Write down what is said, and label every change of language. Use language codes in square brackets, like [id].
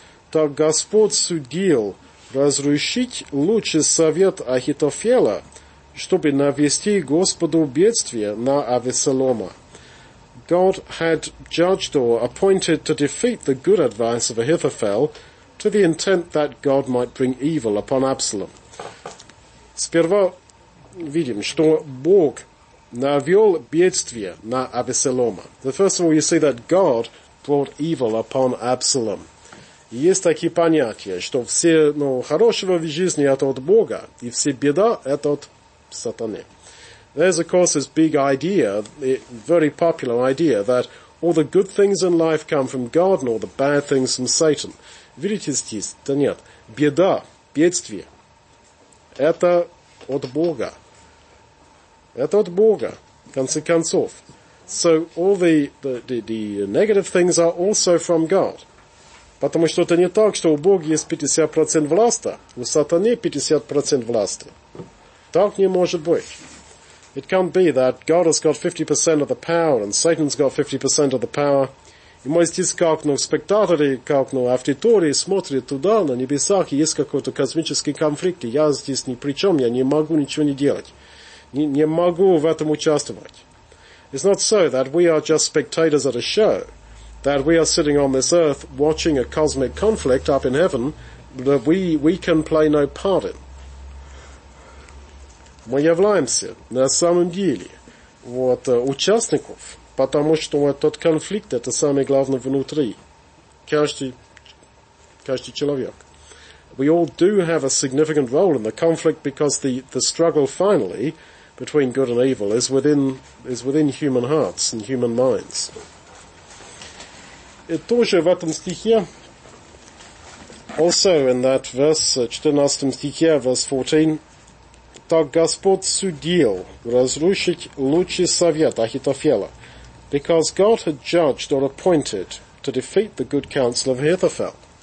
[ru] Так Господь судил разрушить лучший совет Ахитофеля, чтобы навести Господу бедствие на Авессалома. [en] God had judged or appointed to defeat the good advice of Ahithophel to the intent that God might bring evil upon Absalom. [ru] Сперва видим, что Бог навел бедствие на Авессалома. [en] The first of all, you see that God brought evil upon Absalom. [ru] Есть такие понятия, что все, ну, хорошего в жизни это от Бога, и все беда это от сатаны. [en] There's, of course, this big idea, very popular idea, that all the good things in life come from God and all the bad things from Satan. [ru] Видите здесь? Да нет. Беда, бедствие. Это от Бога. Это от Бога, в конце концов. [en] So all the negative things are also from God. [ru] Потому что это не так, что у Бога есть 50% власти, у сатаны 50% власти. Так не может быть. [en] It can't be that God has got 50% of the power and Satan's got 50% of the power. [ru] И мы здесь как, ну, спектаторы, как, ну, аудитории смотрят туда, на небесах, и есть какой-то космический конфликт, и я здесь ни при чем, я не могу ничего не делать. Не могу в этом участвовать. [en] It's not so that we are just spectators at a show, that we are sitting on this earth watching a cosmic conflict up in heaven that we can play no part in. [ru] Мы являемся на самом деле вот участников, потому что вот тот конфликт, это самое главное внутри. Каждый человек. [en] We all do have a significant role in the conflict because the struggle finally between good and evil is within human hearts and human minds. [ru] И тоже в этом стихе, [en] also in that verse, [ru] 14 стихе, [en] verse 14, [ru] так Господь судил разрушить лучший совет Ахитофеля, [en] because God had judged or appointed to defeat the good counsel of Ahithophel.